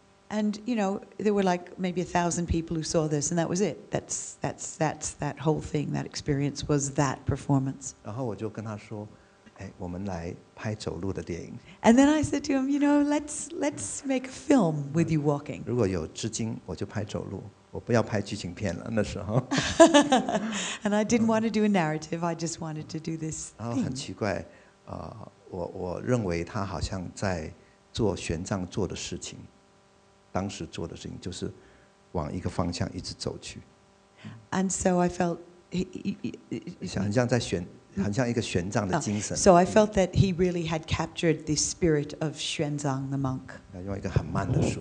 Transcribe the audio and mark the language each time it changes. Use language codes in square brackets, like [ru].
[en] And you know, there were like maybe 1,000 people who saw this, and that was it. That's that whole thing, that experience was that performance. [zh] 然后我就跟他说，哎，我们来拍走路的电影。 [en] And then I said to him, you know, let's make a film with you walking. [zh] 如果有资金，我就拍走路，我不要拍剧情片了。那时候。 [en] And I didn't want to do a narrative. I just wanted to do this thing. [zh] 然后很奇怪，我认为他好像在做玄奘做的事情。当时做的事情就是往一个方向一直走去。 [en] And so I felt he [zh] 很像一个玄奘的精神。 [en] So I felt that he really had captured the spirit of Xuanzang the monk.